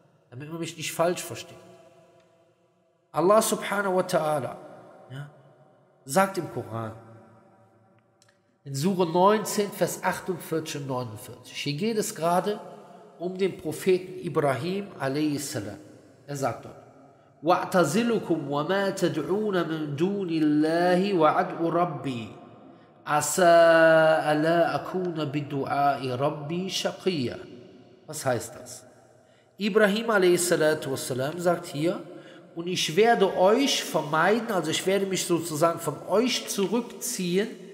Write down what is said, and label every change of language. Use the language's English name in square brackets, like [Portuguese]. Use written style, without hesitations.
[German] Damit man mich nicht falsch versteht. Allah [Arabic] subhanahu wa ta'ala, [German] ja, sagt im Koran, in Sure 19, Vers 48 und 49. Hier geht es gerade um den Propheten Ibrahim [Arabic] alayhi salam. [German] Er sagt dort: [Arabic] وَأَعْتَزِلُكُمْ وَمَا تَدْعُونَ مِنْ دُونِ اللَّهِ وَعَدْءُ رَبِّي عَسَىٰ أَلَا أَكُونَ بِدُعَاءِ رَبِّي شَقِيًّا. [German] Was heißt das? Ibrahim [Arabic] alayhi salatu wasalam [German] sagt hier: Und ich werde euch vermeiden, also ich werde mich sozusagen von euch zurückziehen.